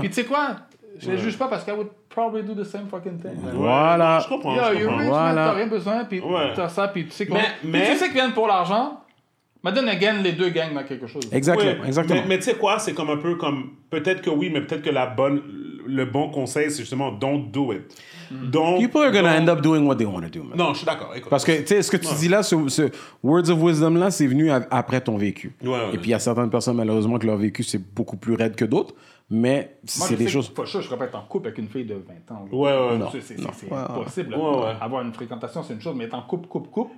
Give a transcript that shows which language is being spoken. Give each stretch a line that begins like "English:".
French: Puis tu sais quoi? Je les juge pas parce qu'elle
English: would probably do the same fucking thing.
French: Voilà. Je comprends.
English: Yeah, you're rich,
French: voilà. Mais t'as rien besoin, puis t'as ça, puis tu sais quoi. Mais tu sais qu'ils viennent pour l'argent. Madonna gagne les deux gangs dans quelque chose. Exactement. Mais tu sais quoi, c'est comme un peu comme... Peut-être que oui, mais peut-être que la bonne... le bon conseil, c'est justement
English: don't do it. Don't, people are gonna end up doing what they want to do.
French: Non, je suis d'accord. Écoute, parce que tu sais, ce que tu dis là, ce
English: words of wisdom
French: là, c'est venu après ton vécu. Ouais, ouais. Et puis il y a certaines personnes malheureusement que leur vécu c'est beaucoup plus raide que d'autres. Mais si moi, c'est des choses. Moi, je répète, en couple avec une fille de 20 ans. Là, ouais, ouais, non. C'est impossible. Ouais, ouais. Avoir une fréquentation, c'est une chose, mais être en couple, couple, couple.